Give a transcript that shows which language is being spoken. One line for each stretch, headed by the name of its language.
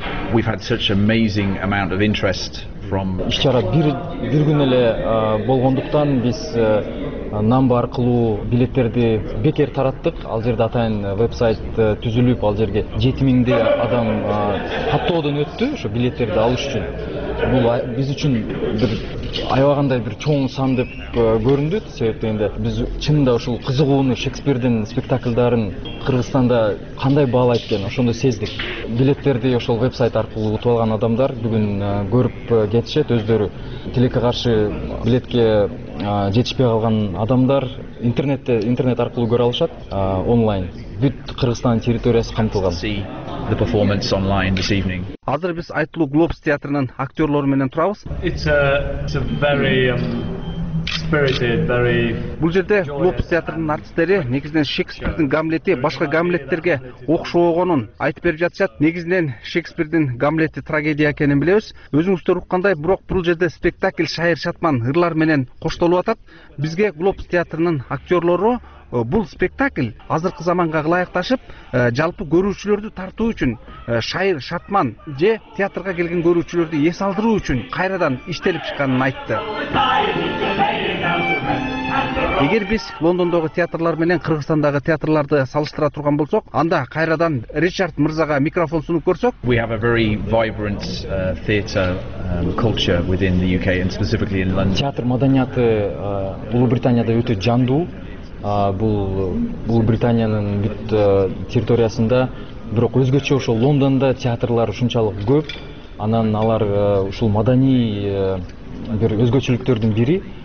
English: We've had such amazing amount of interest from
Kyrgyz: Ишчара бир күн эле болгондуктан биз намба аркылуу билеттерди бекер тараттык. Ал жерде атайын вебсайт түзүлүп, ал жерге 7000 адам каттоодон өттү ошо билеттерди алыш үчүн. Бул биз үчүн бир аябагандай бир чоң сан деп көрүндү. Себеп дегенде биз чынында ушул кызыгууну Шекспирдин спектакльдарын Кыргызстанда кандай баалайт экен ошондо сездик. Билеттерди ошол вебсайт аркылуу утуп алган адамдар бүгүн көрүп кетишет өздөрү. Тилекке каршы билетке жетишпей калган адамдар интернет аркылуу көрө алышат онлайн. Бүт Кыргызстандын территориясы камтылган.
English: The performance online this evening.
Kyrgyz: Азыр биз айтылуу Глобус театрынын актёрлору менен турабыз.
English: It's a very spirited, very
Kyrgyz: Бул жерде Глобус театрынын артисттери негизинен Шекспирдин Гамлети башка Гамлеттерге окшогонун айтып берип жатышат. Негизинен Шекспирдин Гамлети трагедия экенин билебиз. Өзүңүздөр уккандай, бирок бул жерде спектакль шайыр шатман ырлар менен коштолуп атат. Бизге Глобус театрынын актёрлору бул спектакль азыркы заманга ылайыкташып жалпы көрүүчүлөрдү тартуу үчүн шайыр шатман же театрга келген көрүүчүлөрдү эс алдыруу үчүн кайрадан иштелип чыкканын айтты. Эгер биз Лондондогу театрлар менен Кыргызстандагы театрларды салыштыра турган болсок, анда кайрадан Ричард Мырзага микрофон сунуп көрсөк.
English: We have a very vibrant theatre culture within the UK and specifically in London.
Kyrgyz: Театр маданияты Улуу Британияда өтө жандуу. Бул Британиянын бүт территориясында, бирок өзгөчө ошол Лондондо театрлар ушунчалык көп, анан алар ушул маданий бир өзгөчөлүктөрдүн бири.